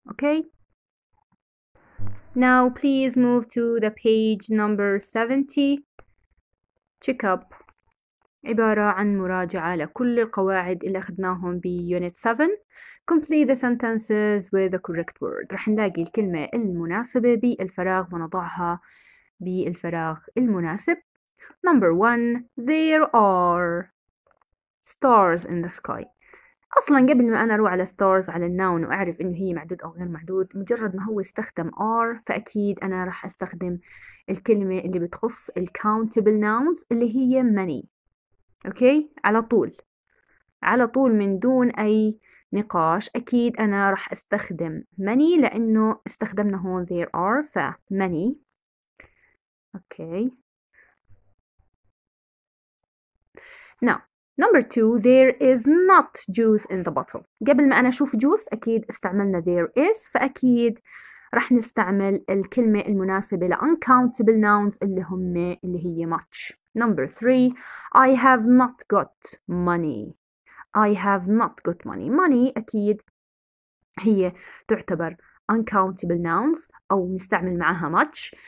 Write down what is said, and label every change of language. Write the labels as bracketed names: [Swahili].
[English] Okay. Now please move to the page number 70. Check up. [Arabic] عبارة عن مراجعة لكل القواعد اللي أخذناهم بـ Unit 7. [English] Complete the sentences with the correct word. [Arabic] رح نلاقي الكلمة المناسبة بالفراغ ونضعها بالفراغ المناسب. [English] Number one, there are stars in the sky. [Arabic] أصلا قبل ما أنا أروح على stars على النون وأعرف إنه هي معدود أو غير معدود مجرد ما هو استخدم are فأكيد أنا راح أستخدم الكلمة اللي بتخص countable nouns اللي هي many. أوكي على طول على طول من دون أي نقاش أكيد أنا راح أستخدم many لأنه استخدمنا هون [English] there are [Arabic] ف many. [English] Okay. Now, number two, there is not juice in the bottle. [Arabic] قبل ما أنا أشوف juice أكيد استعملنا there is فأكيد رح نستعمل الكلمة المناسبة لـ uncountable nouns اللي هم اللي هي much. [English] Number three, I have not got money. I have not got money. Money [Arabic] أكيد هي تعتبر [English] uncountable nouns [Arabic] أو نستعمل معها [English] much.